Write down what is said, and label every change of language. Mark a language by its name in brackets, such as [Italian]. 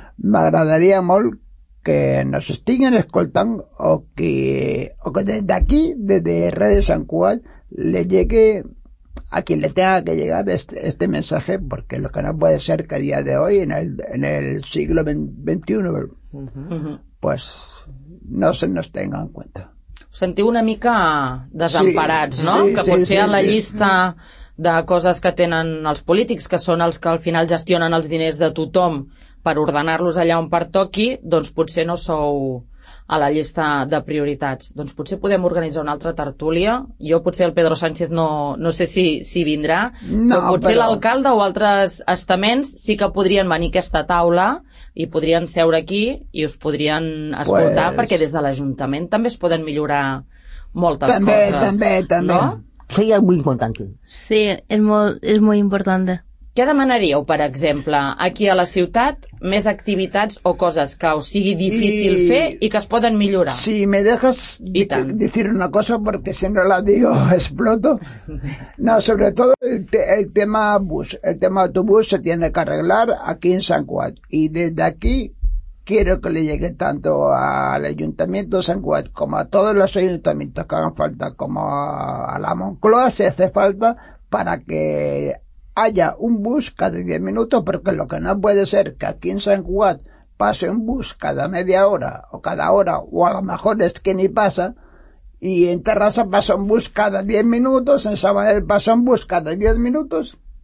[Spanish] Me agradaría [Catalan] molt [Spanish] que nos [Catalan] estiguen escoltant [Spanish] o que desde aquí, desde Radio San Juan, le llegue a quien le tenga que llegar este mensaje, porque lo que no puede ser que a día de hoy, en el siglo XXI, pues no se nos tenga en cuenta. [Catalan] Us sentiu una mica desemparats, sí, no? Sí, que potser sí, en la llista de coses que tenen els polítics, que són els que al final gestionen els diners de tothom per ordenar-los allà on pertoqui, doncs potser no sou a la llista de prioritats. Doncs potser podem organitzar una altra tertúlia. Jo potser el Pedro Sánchez no sé si vindrà, no, però potser però... l'alcalde o altres estaments sí que podrien venir a aquesta taula i podrien seure aquí i us podrien escoltar, pues... perquè des de l'Ajuntament també es poden millorar moltes també, coses. També. No? Seria molt important. Sí, és molt important. Què demanaríeu, per exemple, aquí a la ciutat, més activitats o coses que us sigui difícil fer i que es poden millorar? [Spanish] Si me dejas decir una cosa, porque si no la digo, exploto. No, sobre todo el tema bus. El tema autobús se tiene que arreglar aquí en San Juan. Y desde aquí quiero que le llegue tanto al Ayuntamiento de San Juan como a todos los ayuntamientos que hagan falta, como a la Moncloa, si hace falta, para que haya un bus cada 10 minutos, porque lo que no puede ser que aquí en San Juan pase un bus cada media hora o cada hora, o a lo mejor es que ni pasa, y en Terrassa pasa un bus cada 10 minutos, en Sabadell pasa un bus cada 10 minutos.